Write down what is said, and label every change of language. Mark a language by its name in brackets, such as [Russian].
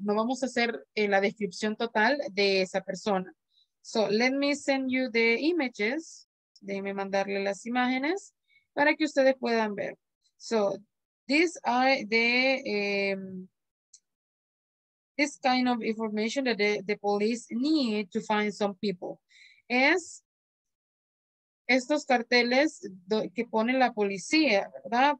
[Spanish] No vamos a hacer la descripción total de esa persona. [English] So let me send you the images. [Spanish] Déjenme mandarle las imágenes para que ustedes puedan ver. [English] So these are the this kind of information that the police need to find some people. [Spanish] Es estos carteles que pone la policía, ¿verdad?